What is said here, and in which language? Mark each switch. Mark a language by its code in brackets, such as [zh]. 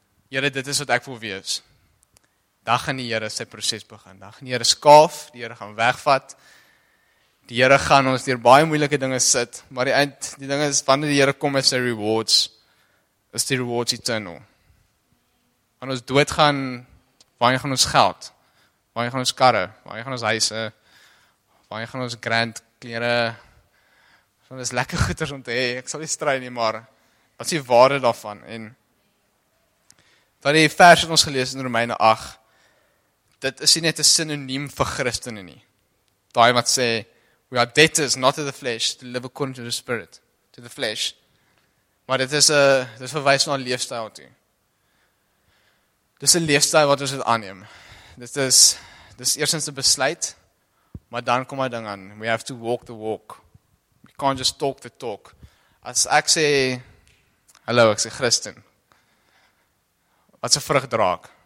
[af] Here, dit is wat ek wil wees. Dan gaan die Here sy proses begin. Dan gaan die Here skaaf, die Here gaan wegvat. Die Here gaan ons deur baie moeilike dinge sit, maar die ding is wanneer die Here kom met sy rewards, is die rewards eternal. Van ons dood gaan, waarheen gaan ons geld? Waarheen gaan ons karre? Waarheen gaan ons huise? Waarheen gaan ons grand klere? Dit is lekker goeders om te hê. Ek sal nie strei nie, maar wat is die waarde daarvan? En van die vers wat ons gelees in Romeine 8, dit is nie net 'n sinoniem vir Christene nie. Daai wat sê [en] we are debtors not to the flesh to live according to the spirit, to the flesh. [af] Maar dit is verwys na 'n leefstyl toe. Dis 'n leefstyl wat ons moet aanneem. Dis eersins 'n besluit, maar dan kom 'n ding aan. [en] We have to walk the walk. We can't just talk the talk. [af] As ek sê, hallo, ek sê Christen. Wat 'n vrug dra ek?